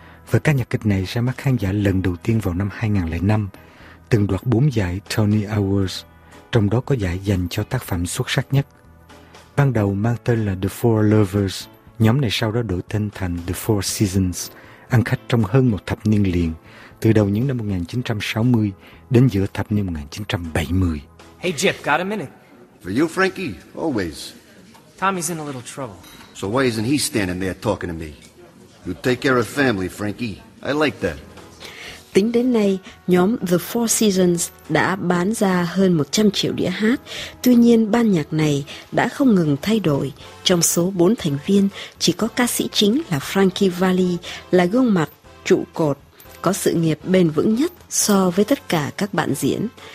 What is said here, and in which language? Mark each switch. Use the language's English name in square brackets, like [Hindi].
[Vietnamese] Vở ca nhạc kịch này ra mắt khán giả lần đầu tiên vào năm 2005, từng đoạt 4 giải Tony Awards, trong đó có giải dành cho tác phẩm xuất sắc nhất. Ban đầu mang tên là The Four Lovers, nhóm này sau đó đổi tên thành The Four Seasons, ăn khách trong hơn một thập niên liền, từ đầu những năm 1960 đến giữa thập niên 1970. [English] Hey Jip, got a minute? For you, Frankie, always. Tommy's in a little trouble. So why isn't he standing there talking to me? You take care of family, Frankie. I like that. [Vietnamese] Tính đến nay, nhóm The Four Seasons đã bán ra hơn 100 triệu đĩa hát. Tuy nhiên, ban nhạc này đã không ngừng thay đổi. Trong số 4 thành viên, chỉ có ca sĩ chính là Frankie Valli, là gương mặt trụ cột, có sự nghiệp bền vững nhất so với tất cả các bạn diễn.